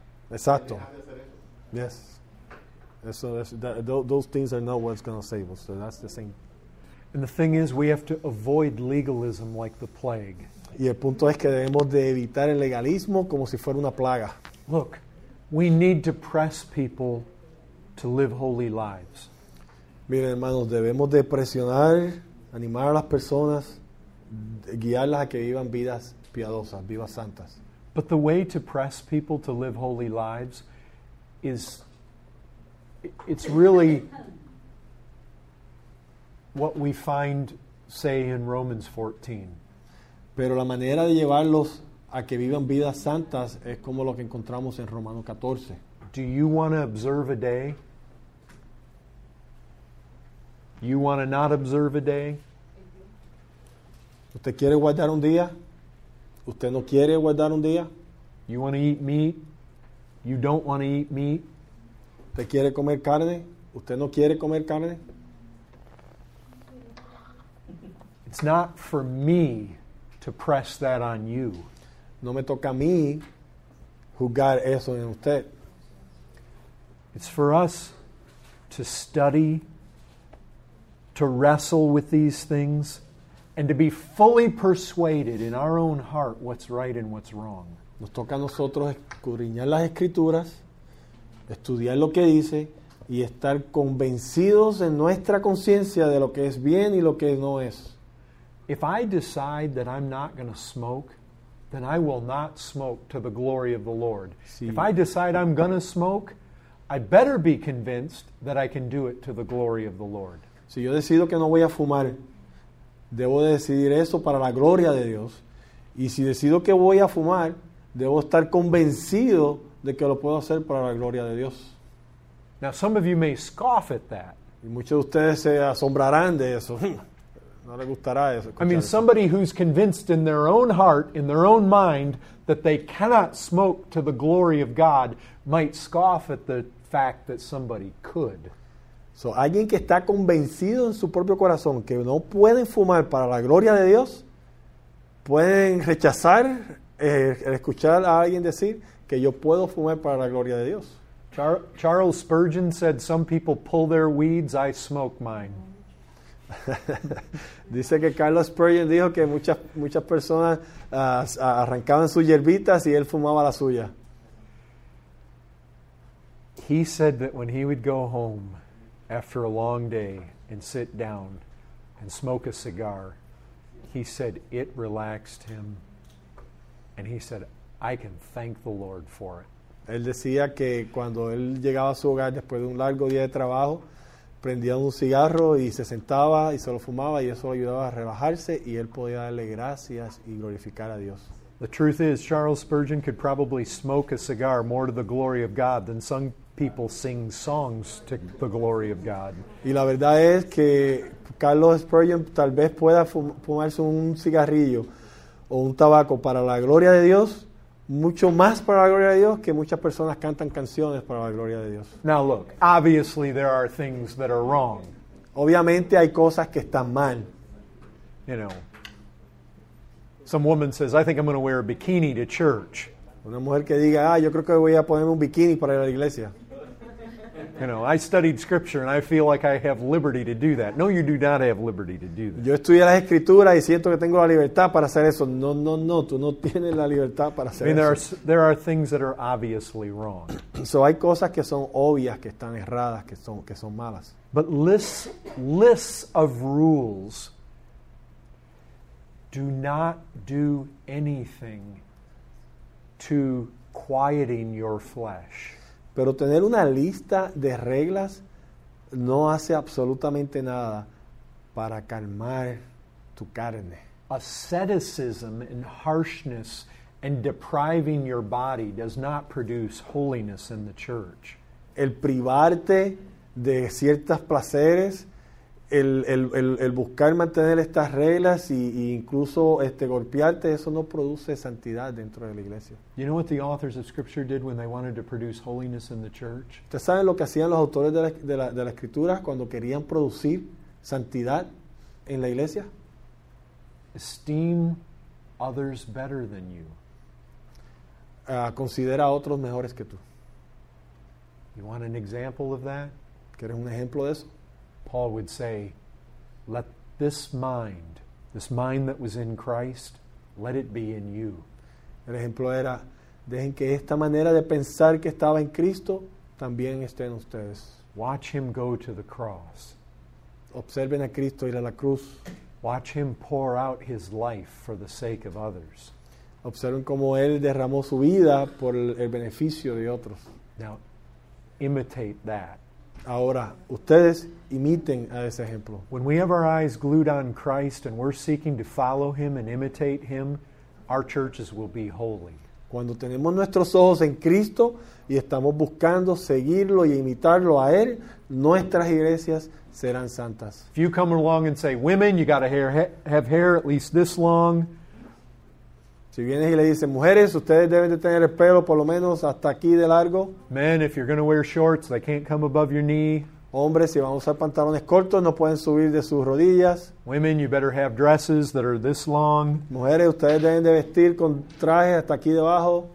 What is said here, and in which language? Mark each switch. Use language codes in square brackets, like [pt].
[es] Exacto. [en] Yes. So those things are not what's going to save us. So that's the same. And the thing is, we have to avoid legalism like the plague. [es] Y el punto es que debemos de evitar el legalismo como si fuera una plaga. [en] Look, we need to press people to live holy lives. [es] Miren, hermanos, debemos de presionar, animar a las personas, guiarlas a que vivan vidas piadosas, vivas santas. [en] But the way to press people to live holy lives is, it's really what we find, say, in Romans 14. [es] Pero la manera de llevarlos a que vivan vidas santas es como lo que encontramos en Romanos 14. [en] Do you want to observe a day? You want to not observe a day? [es] ¿Usted quiere guardar un día? ¿Usted no quiere guardar un día? [en] You want to eat meat? You don't want to eat meat? [es] ¿Usted quiere comer carne? ¿Usted no quiere comer carne? [en] It's not for me to press that on you. [es] No me toca a mí juzgar eso en usted. [en] It's for us to study, to wrestle with these things, and to be fully persuaded in our own heart what's right and what's wrong. [es] Nos toca a nosotros escudriñar las Escrituras, estudiar lo que dice, y estar convencidos en nuestra conciencia de lo que es bien y lo que no es. [en] If I decide that I'm not going to smoke, then I will not smoke to the glory of the Lord. [es] Sí. [en] If I decide I'm going to smoke, I better be convinced that I can do it to the glory of the Lord. [es] Si yo decido que no voy a fumar, debo de decidir eso para la gloria de Dios. Y si decido que voy a fumar, debo estar convencido de que lo puedo hacer para la gloria de Dios. [en] Now, some of you may scoff at that. [es] Y muchos de ustedes se asombrarán de eso. No le gustará eso. [en] I mean, somebody who's convinced in their own heart, in their own mind, that they cannot smoke to the glory of God might scoff at the fact that somebody could. [es] So, alguien que está convencido en su propio corazón que no pueden fumar para la gloria de Dios, pueden rechazar el escuchar a alguien decir que yo puedo fumar para la gloria de Dios. [en] Charles Spurgeon said, "Some people pull their weeds, I smoke mine." [es] Dice que Carlos Spurgeon dijo que muchas personas arrancaban sus hierbitas y él fumaba la suya. [en] He said that when he would go home after a long day and sit down and smoke a cigar, he said it relaxed him, and he said, "I can thank the Lord for it." [es] Él decía que cuando él llegaba a su hogar después de un largo día de trabajo, prendía un cigarro y se sentaba y se lo fumaba y eso lo ayudaba a relajarse y él podía darle gracias y glorificar a Dios. [en] The truth is, Charles Spurgeon could probably smoke a cigar more to the glory of God than some people sing songs to the glory of God. [es] Y la verdad es que Carlos Spurgeon tal vez pueda fumarse un cigarrillo o un tabaco para la gloria de Dios, mucho más para la gloria de Dios que muchas personas cantan canciones para la gloria de Dios. [en] Now look, obviously there are things that are wrong. [es] Obviamente hay cosas que están mal. [en] You know, some woman says, "I think I'm going to wear a bikini to church." [es] Una mujer que diga, "Ah, yo creo que voy a ponerme un bikini para ir a la iglesia." [en] You know, "I studied scripture and I feel like I have liberty to do that." No, you do not have liberty to do that. [es] Yo estudié las escrituras y siento que tengo la libertad para hacer eso. No, no, no, tú no tienes la libertad para hacer eso. [en] There are things that are obviously wrong. [es] So hay cosas que son obvias, que están erradas, que son malas. [en] But lists of rules do not do anything to quieting your flesh. [es] Pero tener una lista de reglas no hace absolutamente nada para calmar tu carne. [en] Asceticism and harshness and depriving your body does not produce holiness in the church. [es] El privarte de ciertos placeres, el buscar mantener estas reglas e incluso golpearte, eso no produce santidad dentro de la iglesia. [en] You know what the authors of scripture did when they wanted to produce holiness in the church? [es] ¿Ustedes saben lo que hacían los autores de la escritura cuando querían producir santidad en la iglesia? [en] Esteem others better than you. [es] Considera a otros mejores que tú. [en] You want an example of that? [es] ¿Quieres un ejemplo de eso? [en] Paul would say, "Let this mind that was in Christ, let it be in you." [es] El ejemplo era, dejen que esta manera de pensar que estaba en Cristo también esté en ustedes. [en] Watch him go to the cross. [es] Observen a Cristo ir a la cruz. [en] Watch him pour out his life for the sake of others. [es] Observen cómo él derramó su vida por el beneficio de otros. [en] Now, imitate that. [es] Ahora, ustedes imiten a ese ejemplo. [en] When we have our eyes glued on Christ and we're seeking to follow him and imitate him, our churches will be holy. [es] Cuando tenemos nuestros ojos en Cristo y estamos buscando seguirlo y imitarlo a él, nuestras iglesias serán santas. [en] If you come along and say, women, you got to have hair at least this long. [es] Si vienes y le dices, mujeres, ustedes deben de tener el pelo por lo menos hasta aquí de largo. [en] Men, if you're going to wear shorts, they can't come above your knee. [es] Hombres, si van a usar pantalones cortos, no pueden subir de sus rodillas. [en] Women, you better have dresses that are this long. [es] Mujeres, ustedes deben de vestir con trajes hasta aquí debajo.